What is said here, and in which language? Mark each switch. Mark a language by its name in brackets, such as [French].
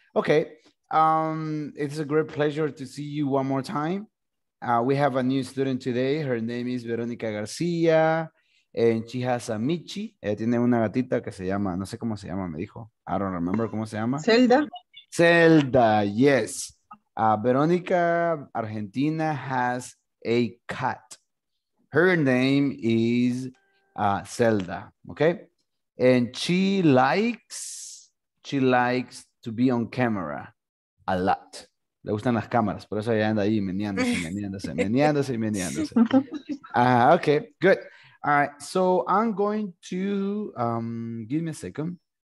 [English] Okay, it's a great pleasure to see you one more time. We have a new student today. Her name is Verónica García, and she has a Michi. [Spanish] Ella tiene una gatita que se llama, no sé cómo se llama, me dijo. [English] I don't remember [Spanish] cómo se llama. [English] Zelda, yes. Verónica Argentina has a cat. Her name is Zelda, okay? And she likes to be on camera a lot. [Spanish] Le gustan las cámaras, por eso ella anda ahí meneándose. [English] Okay, good. All right, so I'm going to, give me a second.